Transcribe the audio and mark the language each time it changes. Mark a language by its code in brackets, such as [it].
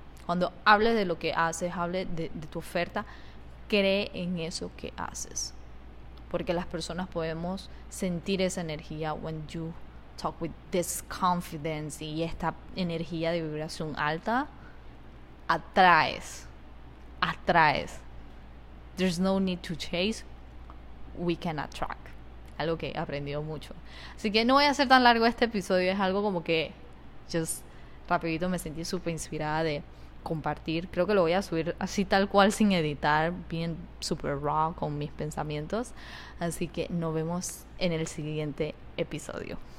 [es] Cuando hables de lo que haces, hable de tu oferta, cree en eso que haces. Porque las personas podemos sentir esa energía when you talk with this confidence y esta energía de vibración alta, atraes. [en] There's no need to chase, we can attract. [es] Algo que he aprendido mucho. Así que no voy a hacer tan largo este episodio, es algo como que just rapidito me sentí súper inspirada de compartir. Creo que lo voy a subir así tal cual sin editar, bien super raw con mis pensamientos. Así que nos vemos en el siguiente episodio.